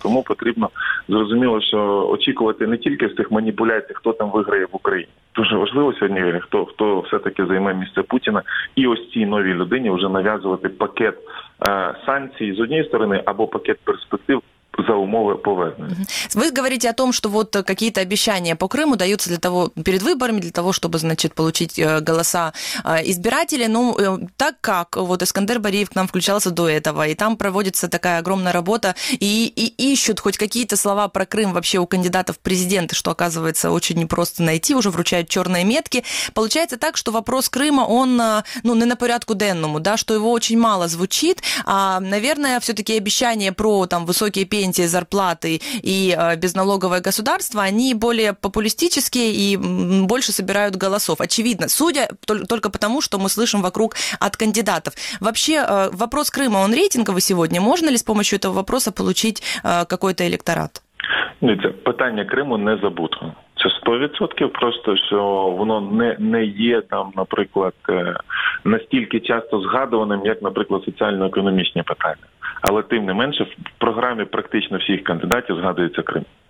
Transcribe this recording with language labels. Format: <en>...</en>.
<uk>Тому потрібно, зрозуміло, що очікувати не тільки з тих маніпуляцій, хто там виграє в Україні. Дуже важливо сьогодні, хто все-таки займе місце Путіна і ось цій новій людині вже нав'язувати пакет санкцій з однієї сторони або пакет перспектив за умови повернення.</uk> <ru>Ви говорите о том, что вот какие-то обещания по Крыму даются для того, перед выборами, для того, чтобы, значит, получить голоса избирателей. Ну, так как вот Искандер Бариев к нам включался до этого, и там проводится такая огромная работа, и ищут хоть какие-то слова про Крым вообще у кандидатов в президенты, что, оказывается, очень непросто найти, уже вручают черные метки. Получается так, что вопрос Крыма, он, ну, не</ru> <uk>на порядку денному,</uk> <ru>да, что его очень мало звучит, а, наверное, все-таки обещания про, там, высокие пенсии, зарплаты и безналоговое государство, они более популистические и больше собирают голосов. Очевидно, судя только потому, что мы слышим вокруг от кандидатов. Вообще, вопрос Крыма, он рейтинговый сегодня? Можно ли с помощью этого вопроса получить какой-то электорат?</ru> <uk>Дивіться, питання Криму не забуто. Це 100%, просто що воно не є там, наприклад, настільки часто згадуваним, як, наприклад, соціально-економічні питання. Але тим не менше, в програмі практично всіх кандидатів згадується Крим.</uk>